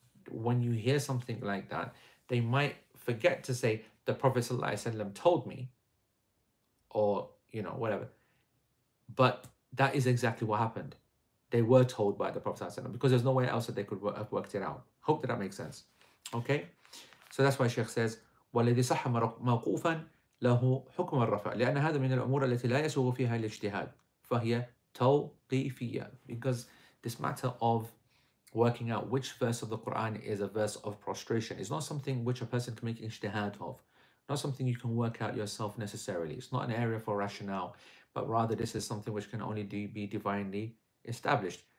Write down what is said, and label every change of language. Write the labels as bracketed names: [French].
[English] When you hear something like that, they might forget to say, the Prophet ﷺ told me, or, you know, whatever. But that is exactly what happened. They were told by the Prophet ﷺ, because there's no way else that they could have worked it out. Hope that that makes sense. Okay? So that's why Sheikh says, [Arabic] والذي صح موقوفا له حكم الرفع لأن هذا من الأمور التي لا يسوغ فيها الاجتهاد فهي توقيفية. [English] Because this matter of working out which verse of the Quran is a verse of prostration is not something which a person can make ijtihad of, not something you can work out yourself necessarily. It's not an area for rationale, but rather this is something which can only be divinely established.